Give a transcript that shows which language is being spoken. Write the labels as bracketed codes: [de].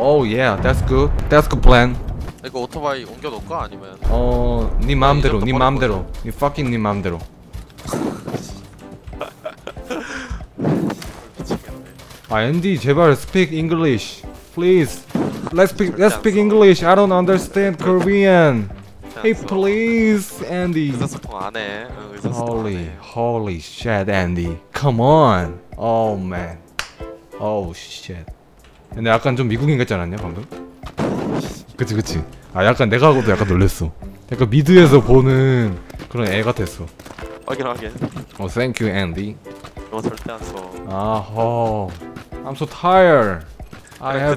[en] 오 예 yeah. That's good. That's good plan. [ko] 이거 오토바이 옮겨놓을까? 아니면 어 니 네 마음대로 니 네 마음대로 니 네 fucking 니 네 마음대로. [en] 아 앤디 제발 speak English please. Let's speak English. I don't understand Korean. Hey please Andy. [ko] 의사소통 안 해. [en] 의사소통 holy shit Andy. Come on. Oh man. Oh shit. [ko] 근데 약간 좀 미국인 같지 않았냐 방금? 그치 그치. 아 약간 내가 하고도 약간 놀랬어. 약간 미드에서 보는 그런 애 같았어. 확인 확인. [en] Oh thank you Andy. [ko] 너 절대 안 써. [en] 아 허. I'm so tired. I have